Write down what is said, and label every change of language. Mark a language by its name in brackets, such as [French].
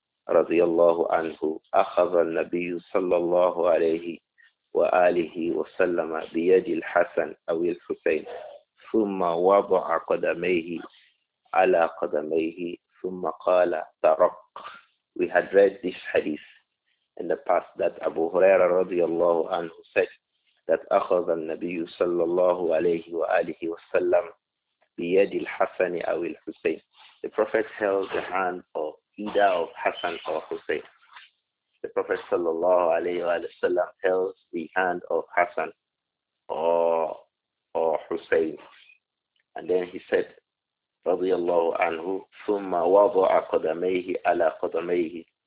[Arabic] رضي الله عنه أخذ النبي صلى الله عليه وآله وسلم بيد الحسن أو الحسين ثم وضع قدميه على قدميه ثم قال ترق. [English] We had read this hadith in the past that Abu Huraira [Arabic] رضي الله عنه [English] said that [Arabic] أخذ النبي صلى الله عليه وآله وسلم بيد الحسن أو الحسين. [English] The Prophet held the hand of either of Hassan or Hussein. The Prophet sallallahu alayhi wa sallam held the hand of Hassan or Hussein. And then he said, radiyallahu anhu, [Arabic] thumma wadu'a qadamayhi ala qadamayhi.